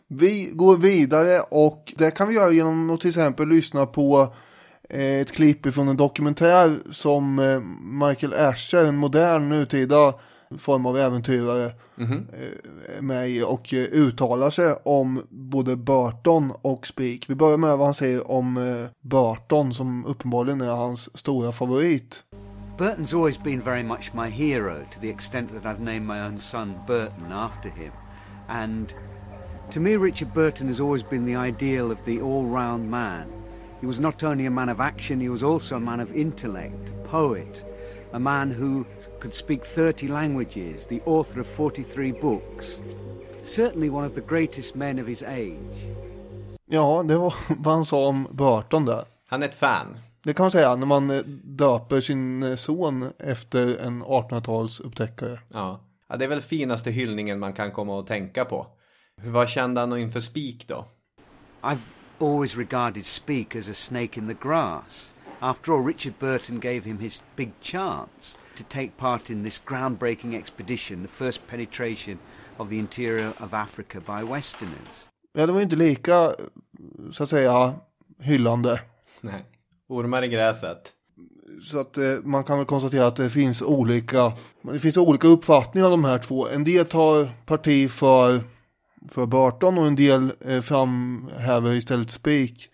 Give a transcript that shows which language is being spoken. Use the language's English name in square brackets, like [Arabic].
[Swedish] Vi går vidare och det kan vi göra genom att till exempel lyssna på ett klipp från en dokumentär som Michael Asher, en modern nutida form av äventyrare, med och uttalar sig om både Burton och Spik. Vi börjar med vad han säger om Burton, som uppenbarligen är hans stora favorit. [English] Burton's always been very much my hero, to the extent that I've named my own son Burton after him. And to me, Richard Burton has always been the ideal of the all-round man. He was not only a man of action, he was also a man of intellect, a poet, a man who could speak 30 languages, the author of 43 books. Certainly one of the greatest men of his age. [Swedish] Ja, det var vad han sa om Burton där. Han är ett fan. Det kan man säga, när man döper sin son efter en 1800-tals upptäckare. Ja. Ja, det är väl finaste hyllningen man kan komma att tänka på. Hur var kändan inför Spik då? [English] I've always regarded Spik as a snake in the grass. After all, Richard Burton gave him his big chance to take part in this groundbreaking expedition, the first penetration of the interior of Africa by Westerners. [Swedish] Ja, det var inte lika, så att säga, hyllande. Nej. Ormar i gräset. Så att man kan väl konstatera att det finns olika uppfattningar av de här två. En del tar parti för Burton och en del framhäver istället Spik.